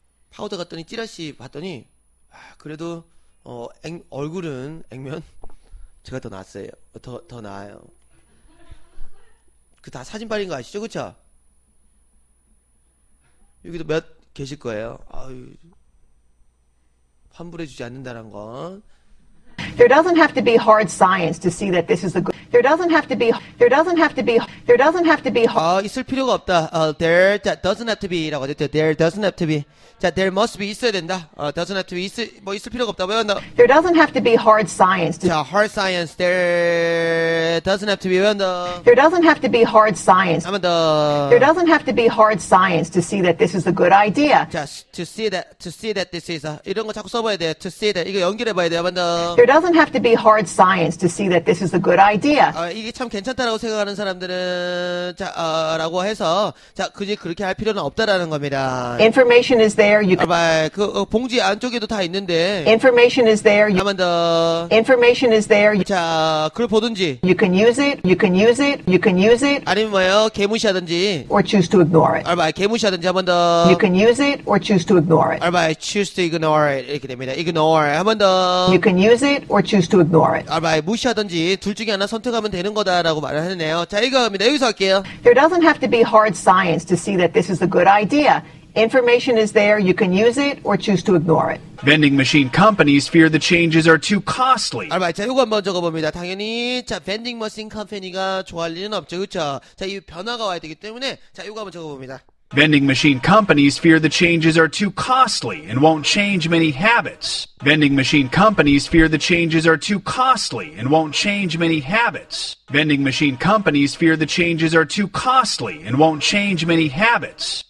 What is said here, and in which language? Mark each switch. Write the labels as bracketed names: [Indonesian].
[Korean] 파고다 갔더니 찌라시 봤더니 그래도 얼굴은 액면 제가 더 낫어요. 더 나아요. 그 다 사진 빨린 거 아시죠? 그쵸? 여기도 몇 계실 거예요. 아유, 환불해 주지 않는다는 건. [English] There doesn't have to be hard science to see that this is a good. There doesn't have to be. There doesn't have to be. There doesn't have to be. [Korean] 있을 필요가 없다. [English] There doesn't have to be [Korean] 라고 했죠. [English] There doesn't have to be. [Korean] 자, [English] there must be [Korean] 있어야 된다. [English] Doesn't have to be [Korean] 있을 필요가 없다. 왜 안 나? [English] There doesn't have to be hard science. 자, hard science. There doesn't have to be [Korean] 왜 안 나? [English] There doesn't have to be hard science. [Korean] 한 번 더. [English] There doesn't have to be hard science to see that this is a good idea. [Korean] 자, [English] to see that this is a [Korean] 이런 거 자꾸 써봐야 돼. [English] To see that [Korean] 이거 연결해봐야 돼. 한 번 더. [English] There doesn't have to be hard science to see that this is a good idea. [Korean] 이게 참 괜찮다라고 생각하는 사람들은 라고 해서 자 굳이 그렇게 할 필요는 없다라는 겁니다. [English] Information is there. You. [Korean] 아바 그 봉지 안쪽에도 다 있는데. [English] Information is there. [Korean] 한번 더. [English] Information is there. [Korean] 자 그걸 보든지. [English] You can use it. You can use it. You can use it. [Korean] 아니면 뭐요? 개무시하든지. [English] Or choose to ignore it. [Korean] 아바 개무시하든지 한번 더. [English] You can use it or choose to ignore it. 아바 choose to ignore it [Korean] 이렇게 됩니다. Ignore 한번 더. [English] You can use it or choose to ignore it. [Korean] 아바 무시하든지 둘 중에 하나 선택하면 되는 거다라고 말을 했네요. 자, 이거 갑니다. 여기서 할게요. [English] There doesn't have to be hard science to see that this is a good idea. Information is there. You can use it or choose to ignore it. Vending machine companies fear the changes are too costly. [Korean] 알바이, 자, 이거 한번 적어봅니다. 당연히 자, vending machine company가 좋아할 리는 없죠. 그렇죠? 자, 이 변화가 와야 되기 때문에 자, 이거 한번 적어봅니다. [English] Vending machine companies fear the changes are too costly and won't change many habits. Vending machine companies fear the changes are too costly and won't change many habits. Vending machine companies fear the changes are too costly and won't change many habits.